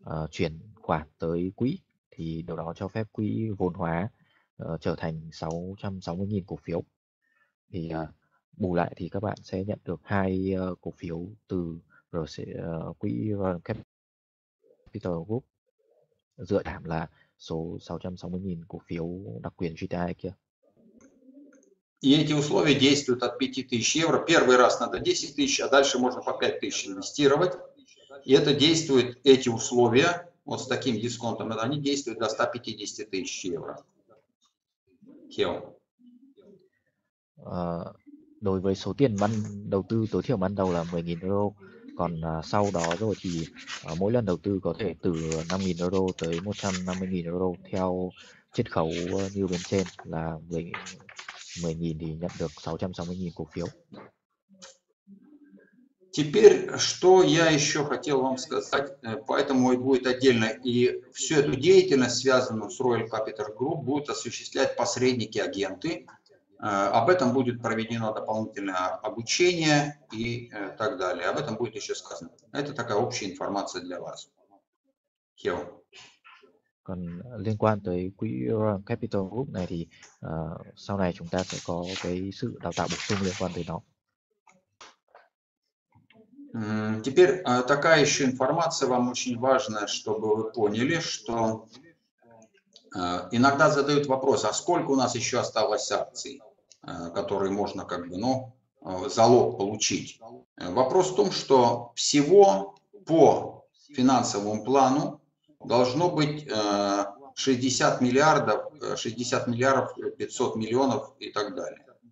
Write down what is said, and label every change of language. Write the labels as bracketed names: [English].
[Vietnamese] chuyển khoản tới quỹ thì điều đó cho phép quỹ vốn hóa trở thành 660.000 cổ phiếu, thì bù lại thì các bạn sẽ nhận được hai cổ phiếu từ quỹ Royal Capital Group, dựa thảm là số 660.000 cổ phiếu đặc quyền GTI kia. [Russian] И эти условия действуют от 5000 евро. Первый раз надо 10 тысяч, а дальше можно по 5000 инвестировать. И это действует, эти условия, вот с таким дисконтом, они действуют до 150 тысяч евро. Кео. [Vietnamese] Đối với số tiền ban đầu tư tối thiểu ban đầu là 10.000 euro, còn sau đó rồi thì mỗi lần đầu tư có thể từ 5.000 euro tới 150.000 euro theo chiết khấu như bên trên, là 10.000 thì nhận được 660.000 cổ phiếu. [Russian] Теперь, что я еще хотел вам сказать, поэтому будет отдельно, и всю эту деятельность, связанную с Royal Capital Group, будут осуществлять посредники-агенты. Об этом будет проведено дополнительное обучение и так далее. Об этом будет еще сказано. Это такая общая информация для вас. Хео. [Vietnamese] Còn liên quan tới quỹ Royal Capital Group này thì sau này chúng ta sẽ có cái sự đào tạo bổ sung liên quan tới nó. [Russian] Теперь такая еще информация вам очень важная, чтобы вы поняли, что иногда задают вопрос, а сколько у нас еще осталось акций, которые можно как бы, ну, залог получить. Вопрос в том, что всего по финансовому плану должно быть 60 миллиардов 500 миллионов и так далее.